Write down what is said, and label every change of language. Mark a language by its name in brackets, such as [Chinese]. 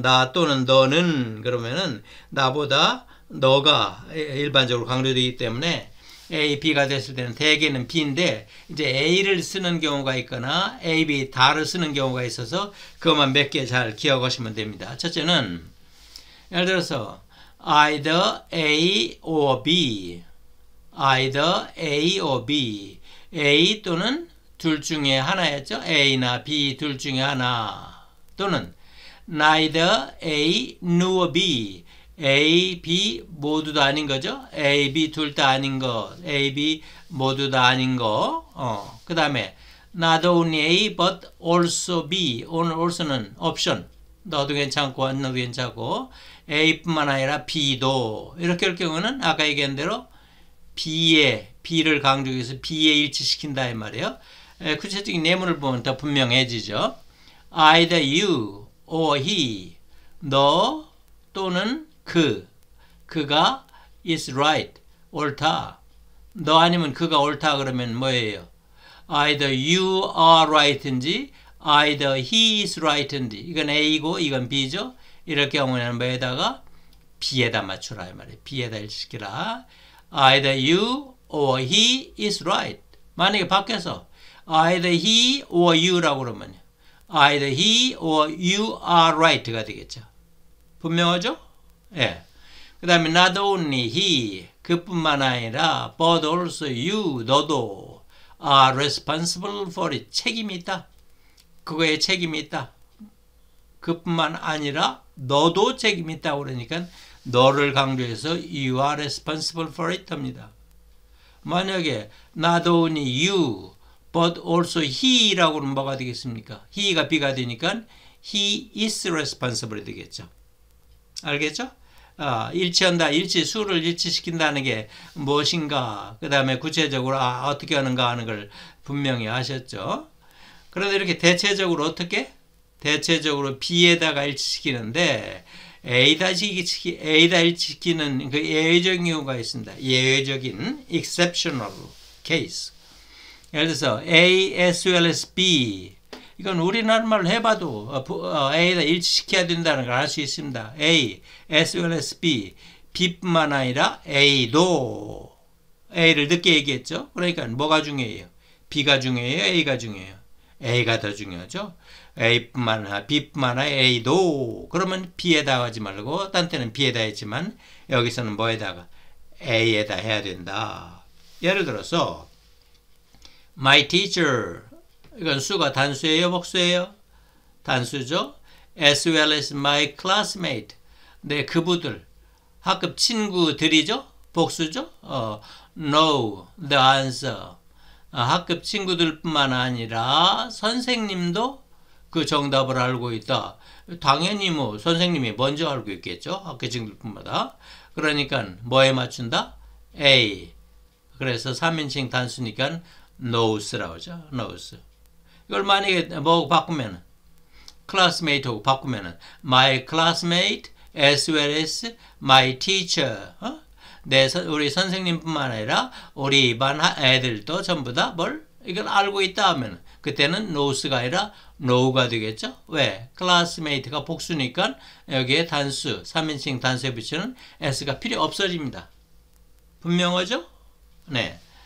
[Korean] 나 또는 너는 그러면은 나보다 너가 일반적으로 강조되기 때문에 A, B가 됐을 때는 대개는 B인데 이제 A를 쓰는 경우가 있거나 A, B 다를 쓰는 경우가 있어서 그것만 몇 개 잘 기억하시면 됩니다. 첫째는 예를 들어서 [English] either A or B either A or B [Korean] A 또는 둘 중에 하나였죠. A나 B 둘 중에 하나 또는 [English] neither A nor B [Korean] A, B 모두 다 아닌 거죠. A, B 둘 다 아닌 거 A, B 모두 다 아닌 거 그 다음에 [English] not only A but also B [Korean] 오늘 also는 옵션 너도 괜찮고 안 너도 괜찮고 A뿐만 아니라 B도 이렇게 할 경우는 아까 얘기한 대로 B를 강조해서 B에 일치시킨다 이 말이에요. 구체적인 예문을 보면 더 분명해지죠. [English] Either you or he, [Korean] 너 또는 그가 [English] is right, [Korean] 옳다. 너 아니면 그가 옳다 그러면 뭐예요? [English] Either you are right인지 either he is right인지 [Korean] 이건 A이고 이건 B죠. 이럴 경우에는 뭐에다가 B에다 맞추라 이 말이에요. B에다 일치시키라. [English] Either you or he is right. [Korean] 만약에 바뀌어서 [English] Either he or you라고 그러면 Either he or you are right가 되겠죠. [Korean] 분명하죠? 예. 그 다음에 [English] not only he, [Korean] 그뿐만 아니라 [English] but also you, [Korean] 너도 [English] are responsible for it. [Korean] 책임이 있다. 그거에 책임이 있다. 그뿐만 아니라 너도 책임이 있다. 그러니까 너를 강조해서 [English] you are responsible for it [Korean] 합니다. 만약에 [English] not only you, but also he [Korean] 라고는 뭐가 되겠습니까? he가 be가 되니까 [English] he is responsible [Korean] 되겠죠. 알겠죠? 아, 일치한다, 일치, 수를 일치시킨다는 게 무엇인가, 그 다음에 구체적으로 아, 어떻게 하는가 하는 걸 분명히 아셨죠. 그런데 이렇게 대체적으로 어떻게? 대체적으로 B에다가 일치시키는데 A에다 일치시키는 그 예외적인 경우가 있습니다. 예외적인, [English] exceptional case. [Korean] 예를 들어서 [English] A as well as B. [Korean] 이건 우리나라 말로 해봐도 A에다 일치시켜야 된다는 걸 알 수 있습니다. [English] A, as well as B. [Korean] B뿐만 아니라 A도. A를 늦게 얘기했죠. 그러니까 뭐가 중요해요? B가 중요해요? A가 중요해요? A가 더 중요하죠. A뿐만 아니라 B뿐만 아니라 A도. 그러면 B에다 하지 말고 딴 때는 B에다 했지만 여기서는 뭐에다가? A에다 해야 된다. 예를 들어서 [English] My teacher. [Korean] 이건 수가 단수예요? 복수예요? 단수죠. [English] As well as my classmate. [Korean] 내 그부들. 학급 친구들이죠? 복수죠? [English] Know the answer. [Korean] 학급 친구들뿐만 아니라 선생님도 그 정답을 알고 있다. 당연히 뭐 선생님이 먼저 알고 있겠죠. 학급 친구들뿐만 아니라. 그러니까 뭐에 맞춘다? A. 그래서 3인칭 단수니까 knows라고 하죠. [English] knows. [Korean] 이걸 만약에 뭐 바꾸면 [English] classmate하고 바꾸면 my classmate as well as my teacher 어? [Korean] 내 우리 선생님뿐만 아니라 우리 반 애들도 전부 다 뭘 이걸 알고 있다 하면 그때는 knows가 아니라 know가 되겠죠. 왜? classmate가 복수니까 여기에 단수 3인칭 단수에 붙이는 s가 필요 없어집니다. 분명하죠? 네.